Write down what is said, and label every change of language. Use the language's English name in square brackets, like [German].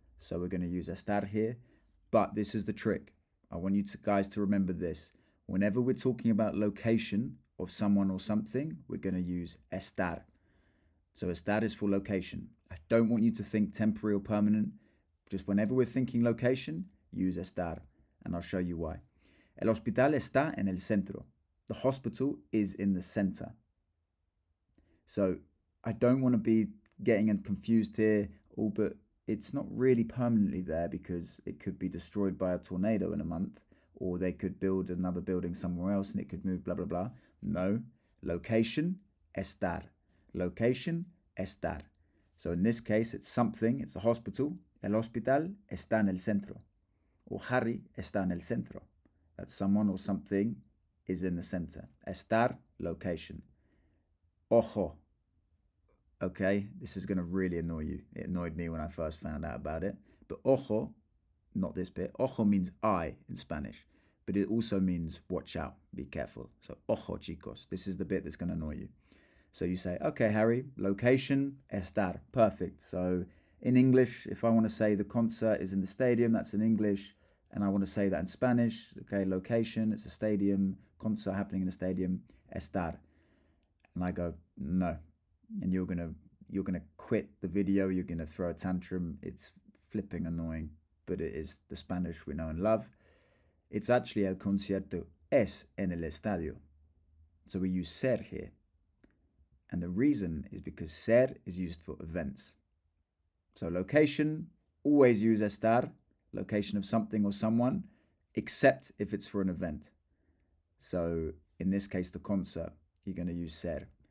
[English] So we're going to use estar here. But this is the trick. I want you to, guys, to remember this. Whenever we're talking about location of someone or something, we're going to use estar. So estar is for location. I don't want you to think temporary or permanent. Just whenever we're thinking location, use estar. And I'll show you why. [Spanish] El hospital está en el centro. [English] The hospital is in the center. So I don't want to be getting confused here. Oh, but it's not really permanently there because it could be destroyed by a tornado in a month, or they could build another building somewhere else and it could move, blah, blah, blah. No. Location, estar. Location, estar. So in this case, it's something, it's a hospital. [Spanish] El hospital está en el centro. Or Harry está en el centro. [English] That someone or something is in the center. Estar, location. Ojo. Okay, this is going to really annoy you. It annoyed me when I first found out about it. But ojo, not this bit. Ojo means eye in Spanish. But it also means watch out, be careful. So [Spanish] ojo, chicos. [English] This is the bit that's going to annoy you. So you say, okay, Harry, location, estar. Perfect. So in English, if I want to say the concert is in the stadium, that's in English. And I want to say that in Spanish, okay, location, it's a stadium, concert happening in a stadium, estar. And I go, no. And you're gonna quit the video, you're gonna throw a tantrum. It's flipping annoying, but it is the Spanish we know and love. It's actually [Spanish] el concierto es en el estadio. [English] So we use ser here. And the reason is because ser is used for events. So location, always use estar, location of something or someone, except if it's for an event. So in this case, the concert, you're going to use ser.